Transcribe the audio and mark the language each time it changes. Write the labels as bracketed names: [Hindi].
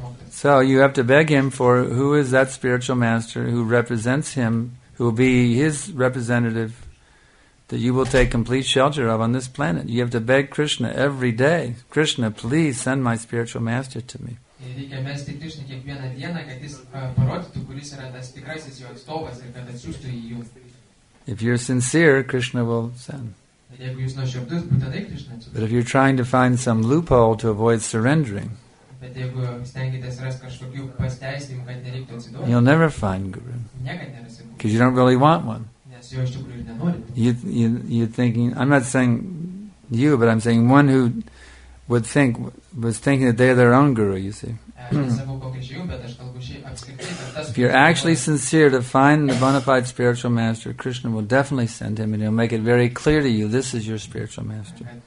[English] So you have to beg him for who is that spiritual master who represents him, who will be his representative that you will take complete shelter of on this planet. You have to beg Krishna every day, Krishna, please send my spiritual master to me. [Lithuanian] Reikia mesti Krishna kiekvieną dieną, kad jis parodytų, kuris yra tas tikrasis jo atstovas ir kad atsiųstų į jų. [English] If you're sincere, Krishna will send. [Lithuanian] Jeigu jūs nuoširdus, būtinai Krishna atsiųs. [English] But if you're trying to find some loophole to avoid surrendering, [Lithuanian] bet jeigu stengiatės rasti kažkokių pasteisimų, kad nereiktų atsiduoti, [English] you'll never find guru. [Lithuanian] Niekad nerasi guru. [English] Because you don't really want one. [Lithuanian] Nes jo iš tikrųjų nenorit. [English] You're thinking, I'm not saying you, but I'm saying one who... was thinking that they are their own guru, you see. If you're actually sincere to find the bona fide spiritual master, Krishna will definitely send him and he'll make it very clear to you, this is your spiritual master.